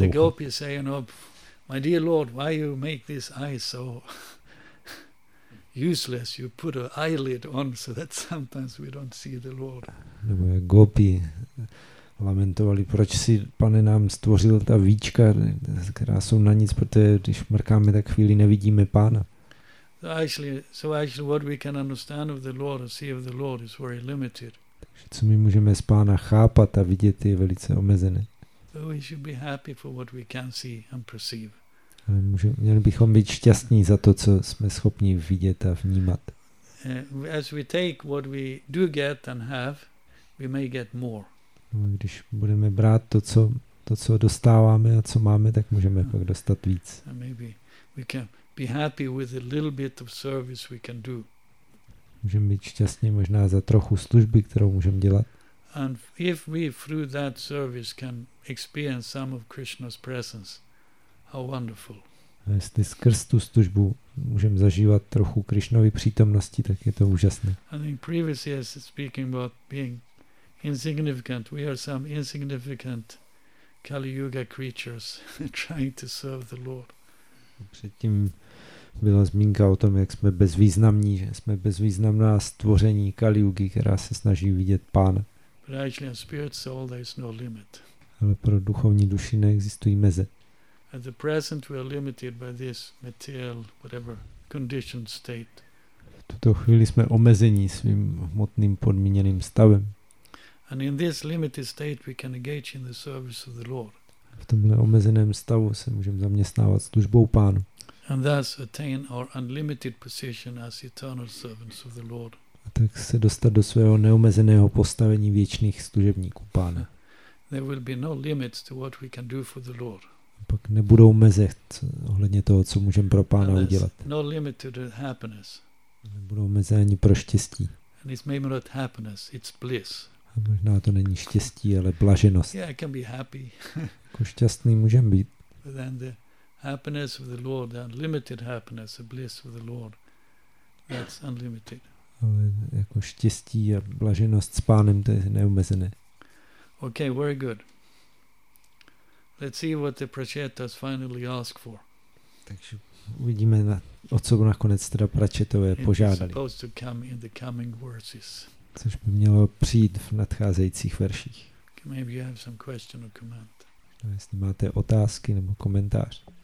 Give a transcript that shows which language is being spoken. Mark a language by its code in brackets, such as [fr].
[en] Well, the Gopis say, you know, my dear Lord, why you make this eye so useless, you put an eyelid on so that sometimes we don't see the Lord. [cs] Nebo Gopi lamentovali, proč si pane nám stvořil ta víčka, která jsou na nic, protože když mrkáme, tak chvíli nevidíme pána. [en] So actually what we can understand of the Lord or see of the Lord is very limited. [cs] Takže co my můžeme z pána chápat a vidět, je velice omezené. [en] So we should be happy for what we can see and perceive. [cs] Měli bychom být šťastní za to, co jsme schopni vidět a vnímat. [en] As we take what we do get and have, we may get more. [cs] Když budeme brát to, co dostáváme a co máme, tak můžeme pak dostat víc. [en] And maybe we can be happy with a little bit of service we can do. [cs] Můžeme být šťastní možná za trochu služby, kterou můžeme dělat. [en] And if we through that service can experience some of Krishna's presence, how wonderful. [cs] A jestli skrz tu službu můžeme zažívat trochu Krišnovy přítomnosti, tak je to úžasné. [en] I think previously as speaking about being insignificant, we are some insignificant Kali Yuga creatures trying to serve the Lord. [cs] Předtím byla zmínka o tom, jak jsme bezvýznamní, že jsme bezvýznamná stvoření Kali Yugi, která se snaží vidět Pána. [en] But actually on spirit soul there is no limit. [cs] Ale pro duchovní duši neexistují meze. [en] At the present we are limited by this material, whatever, conditioned state. [cs] V tuto chvíli jsme omezení svým hmotným podmíněným stavem. [en] And in this limited state we can engage in the service of the Lord. [cs] V tomhle omezeném stavu se můžeme zaměstnávat službou Pánu. [en] And thus attain our unlimited position as eternal servants of the Lord. [cs] A tak se dostat do svého neomezeného postavení věčných služebníků Pána. [en] There will be no limits to what we can do for the Lord. [cs] Pak nebudou meze ohledně toho, co můžeme pro Pána udělat. [en] No limit to the happiness. [cs] Nebudou meze ani pro štěstí. [en] And it's maybe not happiness, it's bliss. [cs] A možná to není štěstí, ale blaženost. [en] Yeah, I can be happy. [cs] Jako šťastný můžem být. [en] But then the happiness of the Lord, the unlimited happiness, the bliss of the Lord, that's unlimited. [cs] Ale jako štěstí a blaženost s Pánem, to je neomezené. [en] Okay, very good. Let's see what the Prachetas finally ask for. [cs] Takže uvidíme, o co nakonec teda Prachetové požádali. [en] It's supposed to come in the coming verses. [cs] Což by mělo přijít v nadcházejících verších. [en] Maybe you have some question or comment. [cs] No, jestli máte otázky nebo komentář.